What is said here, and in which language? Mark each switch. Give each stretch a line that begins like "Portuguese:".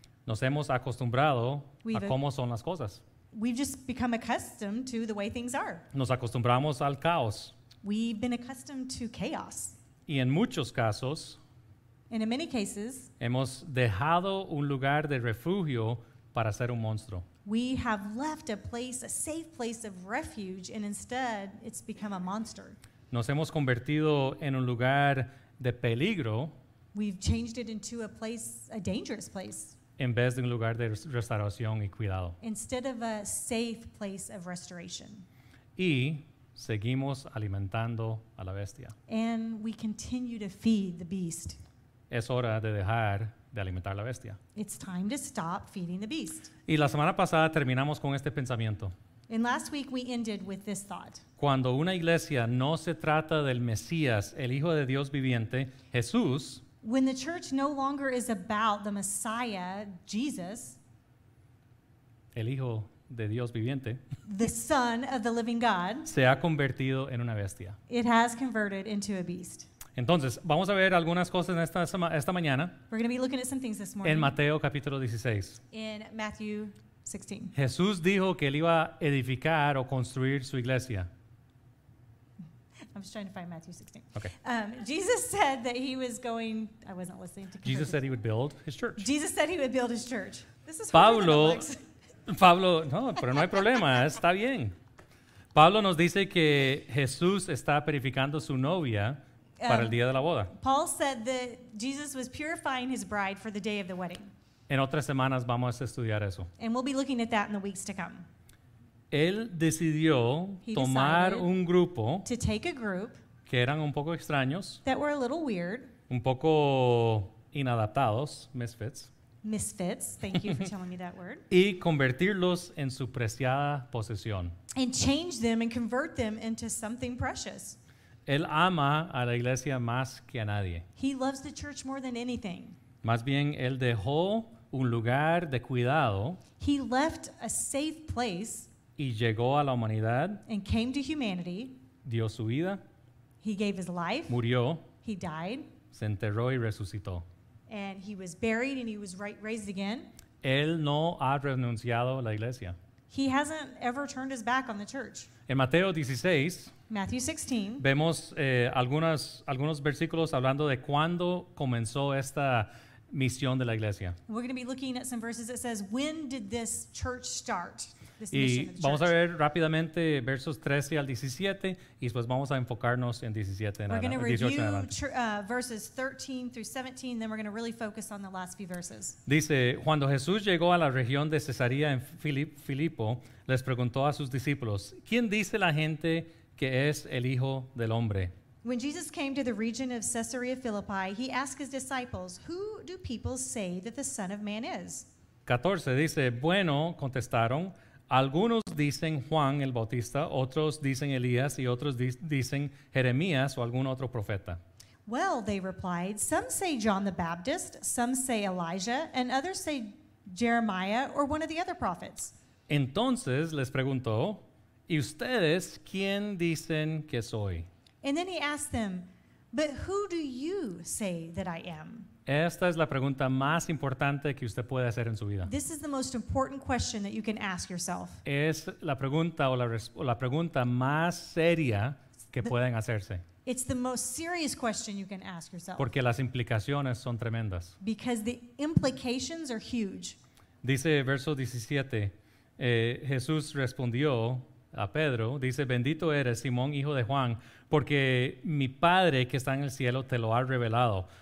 Spanish: Nos hemos acostumbrado a cómo son las cosas.
English: We've just become accustomed to the way things are.
Spanish: Nos acostumbramos al caos.
English: We've been accustomed to chaos.
Spanish: Y en muchos casos,
English: and in many cases,
Spanish: hemos dejado un lugar de refugio para ser un monstruo.
English: We have left a place, a safe place of refuge, and instead it's become a monster.
Spanish: Nos hemos convertido en un lugar de peligro.
English: We've changed it into a place, a dangerous place.
Spanish: En vez de un lugar de restauración y cuidado.
English: Instead of a safe place of restoration.
Spanish: Y seguimos alimentando a la bestia.
English: And we continue to feed the beast.
Spanish: Es hora de dejar de alimentar la bestia.
English: It's time to stop feeding the beast.
Spanish: Y la semana pasada terminamos con este pensamiento.
English: And last week we ended with this thought.
Spanish: Cuando una iglesia no se trata del Mesías, el Hijo de Dios viviente, Jesús.
English: When the church no longer is about the Messiah, Jesus.
Spanish: El Hijo de Dios viviente.
English: The Son of the Living God.
Spanish: Se ha convertido en una bestia.
English: It has converted into a beast.
Spanish: Entonces, vamos a ver algunas cosas en esta mañana.
English: We're going to be looking at some things this morning.
Spanish: En Mateo capítulo 16.
English: In Matthew 16.
Spanish: Jesús dijo que él iba a edificar o construir su iglesia.
English: I'm just trying to find Matthew 16. Okay. Jesus said that he was going, I wasn't listening to. Jesus said he would build his church. Jesus said he would build his church. This is
Spanish: Pablo, no, pero no hay problema, está bien. Pablo nos dice que Jesús está purificando su novia para el día de la boda.
English: Paul said that Jesus was purifying his bride for the day of the wedding.
Spanish: En otras semanas vamos a estudiar eso.
English: And we'll be looking at that in the weeks to come.
Spanish: Él decidió tomar un grupo
English: to take a group
Spanish: que eran un poco extraños,
English: that were a little weird,
Spanish: un poco inadaptados, misfits.
English: Misfits, thank you for telling me that word.
Spanish: Y convertirlos en su preciada posesión.
English: And change them and convert them into something precious.
Spanish: Él ama a la iglesia más que a nadie.
English: He loves the church more than anything.
Spanish: Más bien, él dejó un lugar de cuidado.
English: He left a safe place.
Spanish: Y llegó a la humanidad.
English: And came to humanity.
Spanish: Dio su vida.
English: He gave his life.
Spanish: Murió.
English: He died.
Spanish: Se enterró y resucitó.
English: And he was buried and he was raised again.
Spanish: Él no ha renunciado a la iglesia.
English: He hasn't ever turned his back on the church.
Spanish: En Mateo 16,
English: Matthew 16,
Spanish: vemos algunos versículos hablando de cuándo comenzó esta misión de la iglesia.
English: We're going to be looking at some verses that says, when did this church start?
Spanish: Y vamos a ver rápidamente versos 13 al 17 y después vamos a enfocarnos en 17 en
English: we're
Spanish: adelante.
English: We're going to review verses 13 through 17, then we're going to really focus on the last few verses.
Spanish: Dice, cuando Jesús llegó a la región de Cesarea en Filipo, les preguntó a sus discípulos, ¿quién dice la gente que es el Hijo del Hombre?
English: When Jesus came to the region of Caesarea Philippi, he asked his disciples, who do people say that the Son of Man is?
Spanish: 14 dice, bueno, contestaron, algunos dicen Juan el Bautista, otros dicen Elías, y otros dicen Jeremías o algún otro profeta.
English: Well, they replied, some say John the Baptist, some say Elijah, and others say Jeremiah or one of the other prophets.
Spanish: Entonces les preguntó, ¿y ustedes quién dicen que soy?
English: And then he asked them, but who do you say that I am?
Spanish: Esta es la pregunta más importante que usted puede hacer en su vida.
English: This is the most important question that you can ask yourself.
Spanish: Es la pregunta o la pregunta más seria que pueden hacerse.
English: It's the most serious question you can ask yourself.
Spanish: Porque las implicaciones son tremendas.
English: Because the implications are huge.
Spanish: Dice verso 17, Jesús respondió a Pedro, dice, bendito eres, Simón, hijo de Juan, porque mi Padre que está en el cielo te lo ha revelado.